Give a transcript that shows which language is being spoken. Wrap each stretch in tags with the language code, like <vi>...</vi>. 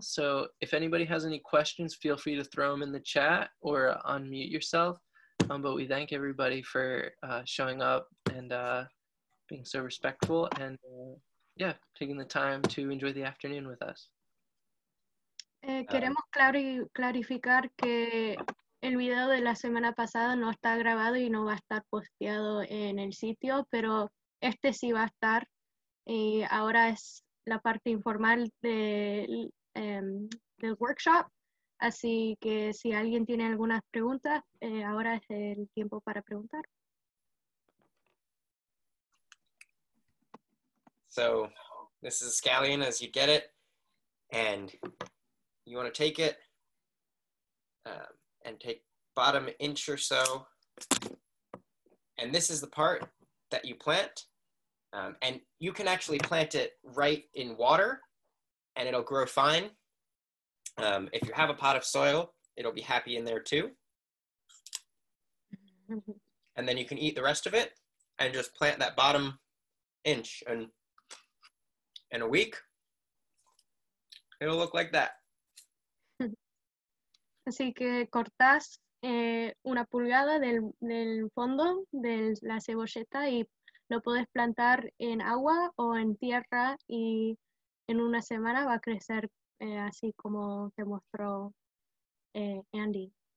<en>So if anybody has any questions, feel free to throw them in the chat or unmute yourself. But we thank everybody for showing up and being so respectful and yeah, taking the time to enjoy the afternoon with us.</en> <es>Queremos clarificar que el video de la semana pasada no está grabado y no va a estar posteado en el sitio, pero este sí va a estar. Y ahora es la parte informal del workshop. Así que si alguien tiene algunas preguntas, ahora es el tiempo para preguntar.</es> <en>So this is a scallion as you get it, and you want to take it and take bottom inch or so, and this is the part that you plant, And you can actually plant it right in water and it'll grow fine. If you have a pot of soil, it'll be happy in there too. And then you can eat the rest of it and just plant that bottom inch. And in a week, it'll look like that.</en> <es>Así que cortas una pulgada del fondo de la cebolleta y lo puedes plantar en agua o en tierra y en una semana va a crecer así como te mostró Andy.</es>